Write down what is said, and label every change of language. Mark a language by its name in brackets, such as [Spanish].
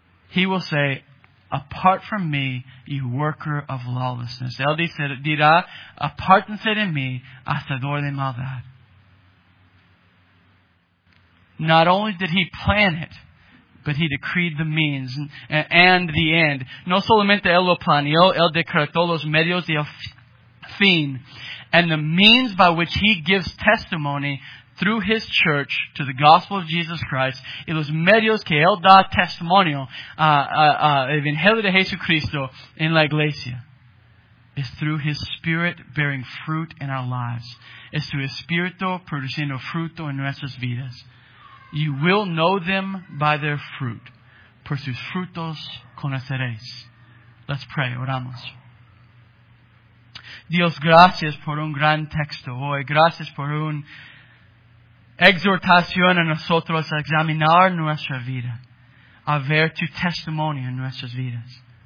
[English] He will say, apart from me, you worker of lawlessness. [Spanish] Él dirá, apártense de mí, hacedor de maldad. [English] Not only did he plan it, but he decreed the means and the end. [Spanish] No solamente él lo planeó, él decretó los medios y el fin. [English] And the means by which he gives testimony through his church to the gospel of Jesus Christ, [Spanish] y los medios que él da testimonio al Evangelio de Jesucristo en la iglesia, [English] is through his Spirit bearing fruit in our lives. [Spanish] Es su Espíritu produciendo fruto en nuestras vidas. [English] You will know them by their fruit. [Spanish] Por sus frutos conoceréis. [English] Let's pray. [Spanish] Oramos. Dios, gracias por un gran texto hoy. Gracias por un exhortación a nosotros a examinar nuestra vida, a ver tu testimonio en nuestras vidas.